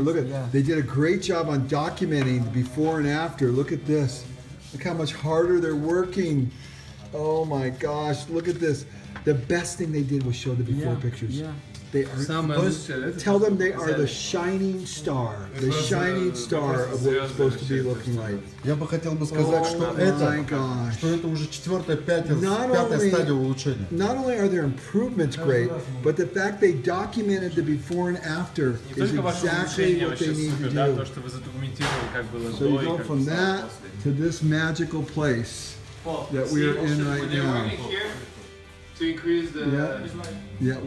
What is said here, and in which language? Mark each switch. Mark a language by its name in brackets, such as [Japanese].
[English] Look at, they did a great job on documenting the before and after. Look at this. Look how much harder they're working. Oh my gosh, look at this. The best thing they did was show the before pictures. They are, tell them they are the shining star. The shining star of what it's supposed to be looking like. [Russian] Я бы хотел бы сказать, что это, что это уже четвертая, пятая стадия улучшения. [English] Not only are their improvements great, but the fact they documented the before and after is exactly what they need to do. So you go from that to this magical place that we are in right now. To increase the